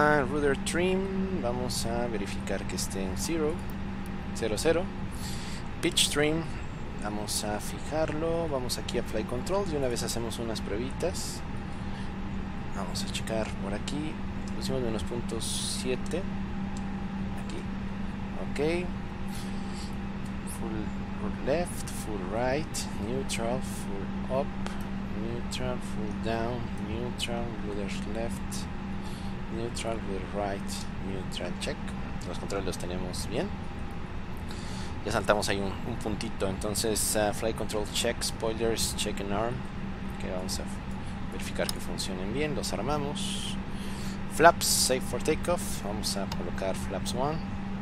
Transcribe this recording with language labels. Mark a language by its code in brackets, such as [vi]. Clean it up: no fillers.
[es] Rudder trim, vamos a verificar que esté en 0, 0, 0. Pitch trim, vamos a fijarlo, vamos aquí a Flight Control y una vez hacemos unas pruebitas. Vamos a checar por aquí, pusimos menos 0.7 aquí, ok. [en] Full left, full right, neutral, full up, neutral, full down, neutral, rudder left, neutral, rudder right, neutral, check. [es] Los controles los tenemos bien. Ya saltamos ahí un puntito, entonces [en] flight control check, spoilers check and arm, [es] que okay, vamos a verificar que funcionen bien, los armamos. [en] Flaps safe for takeoff, [es] vamos a colocar flaps 1.